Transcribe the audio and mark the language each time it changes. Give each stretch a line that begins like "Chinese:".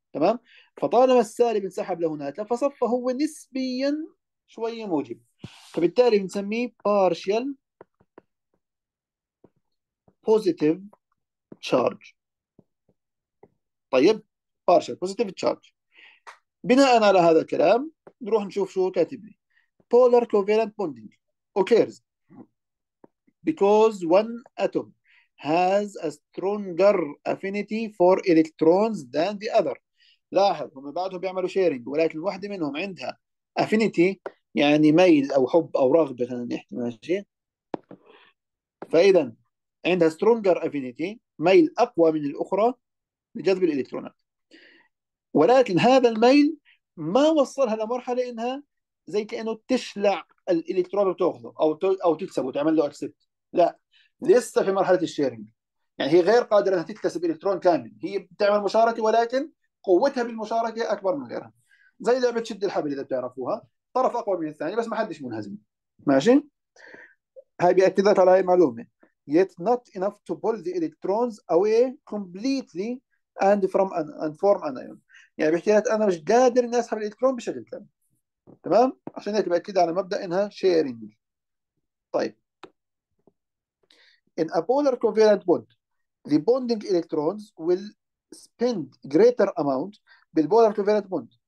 Arabic: تمام؟ فطالما السالب انسحب لهناك فصفى هو نسبيا شوية موجب، فبالتالي بنسميه
English: partial positive charge.
Arabic: طيب،
English: partial positive charge،
Arabic: بناء على هذا الكلام نروح نشوف شو كاتب لي.
English: polar covalent bonding occurs because one atom has a stronger affinity for electrons than the other.
Arabic: لاحظ هم بعدهم بيعملوا sharing، ولكن واحدة منهم عندها affinity، يعني ميل او حب او رغبه، خلينا نحكي، ماشي؟ فاذا عندها سترونجر افينيتي، ميل اقوى من الاخرى لجذب الالكترونات، ولكن هذا الميل ما وصلها لمرحله انها زي كانه تشلع الالكترون وتاخذه او تكسبه وتعمل له اكسبت، لا، لسه في مرحله الشيرنج، يعني هي غير قادره انها تكتسب الكترون كامل، هي بتعمل مشاركه ولكن قوتها بالمشاركه اكبر من غيرها، زي لعبه شد الحبل اذا بتعرفوها، طرف اقوى من الثاني بس ما حدش منهزم. ماشي؟ هاي بياكد لك على هاي المعلومه.
English: Yet not enough to pull the electrons away completely and from an and form an ion.
Arabic: يعني بيحكي لك انا مش قادر اني اسحب الالكترون بشكل كامل. تمام؟ عشان هيك بياكد على مبدا انها sharing. طيب.
English: In a polar covalent bond, the bonding electrons will spend greater amount بالبولر covalent bond.